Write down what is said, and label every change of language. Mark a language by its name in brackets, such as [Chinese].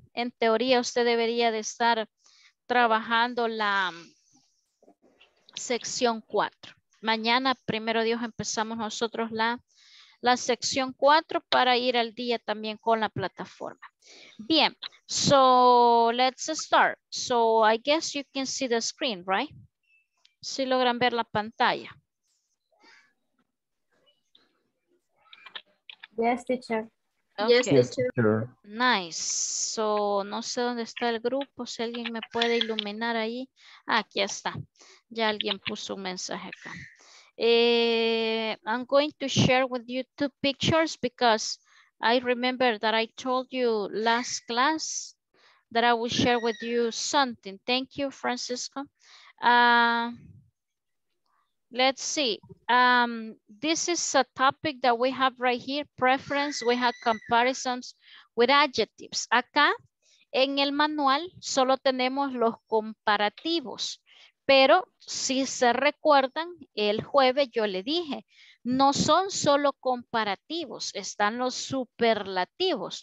[Spanish] En teoría, usted debería de estar trabajando la sección 4. Mañana, primero Dios, empezamos nosotros la sección 4 para ir al día también con la plataforma. [English] Bien, so let's start. So I guess you can see the screen, right? [Spanish] Si logran ver la pantalla. [English] Yes, teacher. Okay. Yes, teacher. Nice. So, [Spanish] no sé dónde está el grupo. Si alguien me puede iluminar ahí. Ah, aquí está. Ya alguien puso un mensaje acá. [English] I'm going to share with you two pictures because I remember that I told you last class that I will share with you something. Thank you, Francisco. Let's see. This is a topic that we have right here. Preference, we have comparisons with adjectives. [Spanish] Acá en el manual solo tenemos los comparativos. Pero si se recuerdan, el jueves yo le dije, no son solo comparativos, están los superlativos.